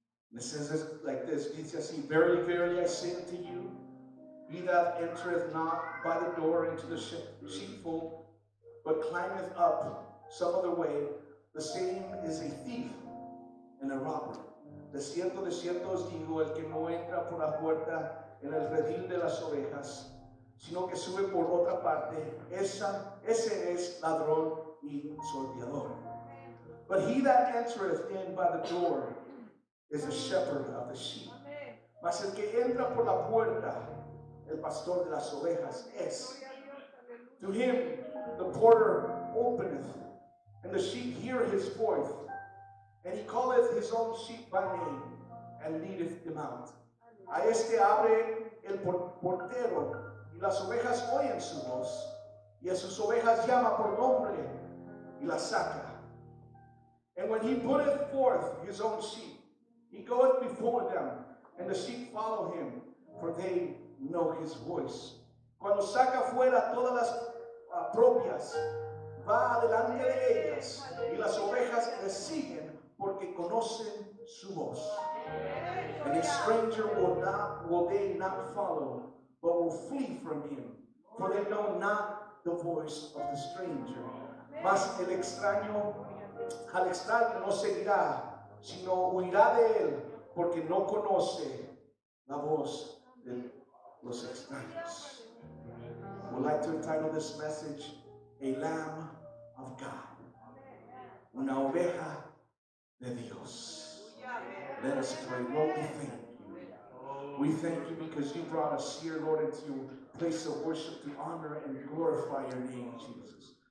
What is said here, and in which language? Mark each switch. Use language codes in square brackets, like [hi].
[en] And it says this, like this, it says, verily, verily, I say unto you, he that entereth not by the door into the sheepfold, but climbeth up some other way, the same is a thief and a robber. [es] De cierto os digo, el que no entra por la puerta en el redil de las ovejas, sino que sube por otra parte, ese es ladrón y sorteador. [en] But he that entereth in by the door is a shepherd of the sheep. [es] Mas el que entra por la puerta, el pastor de las ovejas es. [en] To him the porter openeth, and the sheep hear his voice, and he calleth his own sheep by name, and leadeth them out. [es] A este abre el portero, y las ovejas oyen su voz, y a sus ovejas llama por nombre, y las saca. [en] And when he putteth forth his own sheep, he goeth before them, and the sheep follow him, for they know his voice. [es] Cuando saca fuera todas las propias, va adelante de ellas, y las ovejas le siguen porque conocen su voz. [en] And a stranger will they not follow, but will flee from him, for they know not the voice of the stranger. [es] Mas el extraño, al extraño no seguirá, sino huirá de él, porque no conoce la voz de los extraños. [en] I would like to entitle this message, A Lamb of God. [es] Una oveja de Dios. [en] Let us pray. Lord, we thank you. We thank you because you brought us here, Lord, into your place of worship to honor and glorify your name, Jesus.